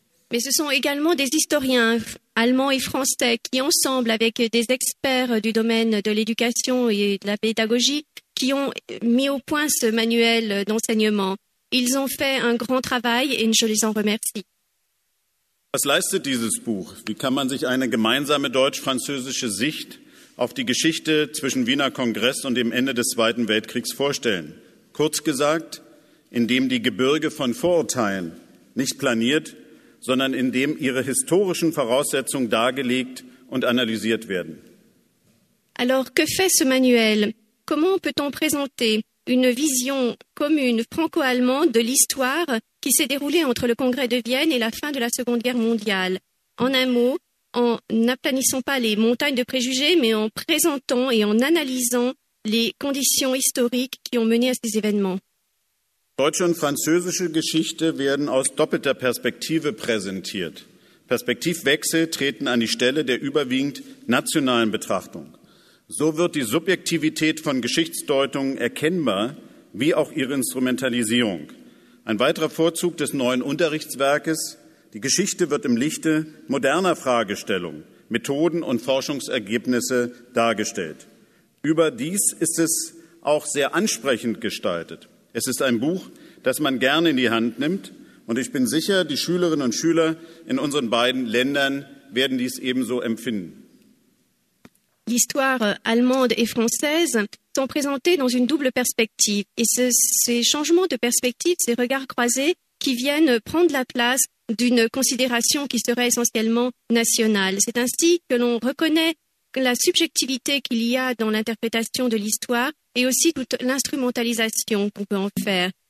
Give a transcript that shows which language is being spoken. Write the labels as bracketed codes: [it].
[fr] Mais ce sont également des historiens allemands et français qui ensemble avec des experts du domaine de l'éducation et de la pédagogie qui ont mis au point ce manuel d'enseignement. Ils ont fait un grand travail et je les en remercie. [de] Was leistet dieses Buch? Wie kann man sich eine gemeinsame deutsch-französische Sicht auf die Geschichte zwischen Wiener Kongress und dem Ende des Zweiten Weltkriegs vorstellen? Kurz gesagt, indem die Gebirge von Vorurteilen nicht planiert, sondern indem ihre historischen Voraussetzungen dargelegt und analysiert werden. Alors, que fait ce manuel? Comment peut-on présenter une vision commune franco-allemande de l'histoire qui s'est déroulée entre le Congrès de Vienne et la fin de la Seconde Guerre mondiale? En un mot, en n'aplanissant pas les montagnes de préjugés, mais en présentant et en analysant les conditions historiques qui ont mené à ces événements. Deutsche und französische Geschichte werden aus doppelter Perspektive präsentiert. Perspektivwechsel treten an die Stelle der überwiegend nationalen Betrachtung. So wird die Subjektivität von Geschichtsdeutungen erkennbar, wie auch ihre Instrumentalisierung. Ein weiterer Vorzug des neuen Unterrichtswerkes: die Geschichte wird im Lichte moderner Fragestellungen, Methoden und Forschungsergebnisse dargestellt. Überdies ist es auch sehr ansprechend gestaltet. Es ist ein Buch, das man gerne in die Hand nimmt. Und ich bin sicher, die Schülerinnen und Schüler in unseren beiden Ländern werden dies ebenso empfinden. [fr] L'histoire allemande et française sont présentées dans une double perspective. Et ces changements de perspective, ces regards croisés qui viennent prendre la place d'une considération qui serait essentiellement nationale. C'est ainsi que l'on reconnaît la subjectivité qu'il y a dans l'interprétation de l'histoire et aussi toute l'instrumentalisation qu'on peut en faire.